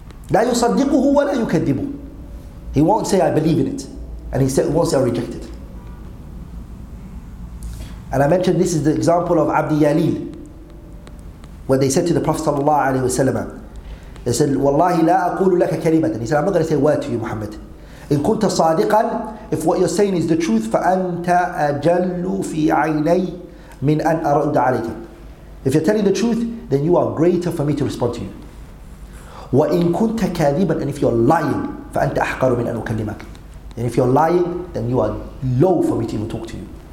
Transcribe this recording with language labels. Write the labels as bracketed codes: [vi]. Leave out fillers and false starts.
[ar] لا يصدقه ولا يكذبه. [en] He won't say I believe in it, and he won't say I reject it. And I mentioned this is the example of Abdi Yalil, where they said to the Prophet sallallahu alaihi wasallam, they said, [ar] "Wallahi la aqulu laka kalimatan." [en] He said, "I'm not going to say a word to you, Muhammad. [ar] إن كنت صادقا, [en] if what you're saying is the truth, [ar] فأنت أجل في عيني من أن أرد عليك. [en] If you're telling the truth, then you are greater for me to respond to you. [ar] وإن كنت كاذبا, [en] and if you're lying, [ar] فأنت أحقر من أن أكلمك. [en] And if you're lying, then you are low for me to even talk to you."